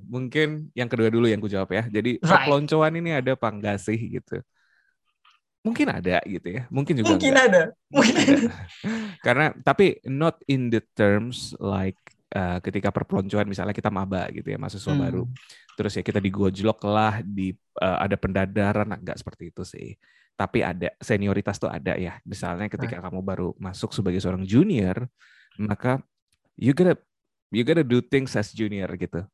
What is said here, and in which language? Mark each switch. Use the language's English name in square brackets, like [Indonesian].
[Indonesian] Mungkin yang kedua dulu yang ku jawab ya. Jadi perpeloncoan ini ada apa enggak sih gitu? Mungkin ada gitu ya. Mungkin juga. Mungkin enggak. Ada. Mungkin. Karena tapi [English] not in the terms like [Indonesian] ketika perpeloncoan misalnya kita maba gitu ya, mahasiswa baru, terus ya kita digojlok lah, di ada pendadaran, enggak seperti itu sih. Tapi ada senioritas tuh ada ya. Misalnya ketika kamu baru masuk sebagai seorang junior, maka [English] you gotta do things as junior [Indonesian] gitu.